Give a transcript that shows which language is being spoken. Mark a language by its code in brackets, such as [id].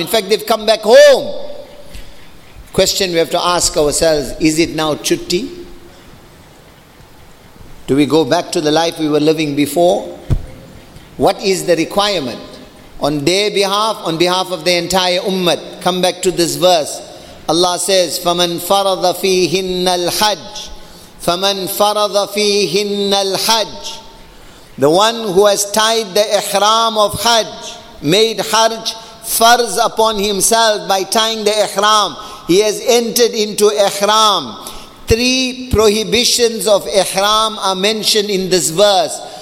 [en] In fact, they've come back home. Question we have to ask ourselves, is it now chutti? Do we go back to the life we were living before? What is the requirement? On their behalf, on behalf of the entire ummah, come back to this verse. [ar] Allah says, فَمَنْ فَرَضَ فِيهِنَّ الْحَجِّ فَمَنْ فَرَضَ فِيهِنَّ الْحَجِّ. [en] The one who has tied the ihram of Hajj, made Hajj farz upon himself by tying the ihram, he has entered into ihram. Three prohibitions of ihram are mentioned in this verse.